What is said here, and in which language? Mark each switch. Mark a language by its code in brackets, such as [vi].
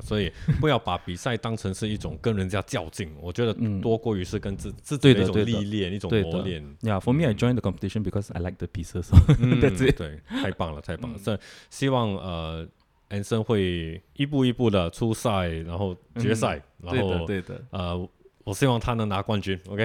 [zh] 所以不要把比赛当成是一种跟人家较劲。我觉得多过于是跟自己的一种历练，一种磨练。 [en] Yeah, for me, I joined the competition because I like the pieces. So that's it. [zh] 对，太棒了，太棒了。所以希望 Anson 会一步一步的出赛，然后决赛，然后对的，对的。我希望他能拿冠军 ，OK？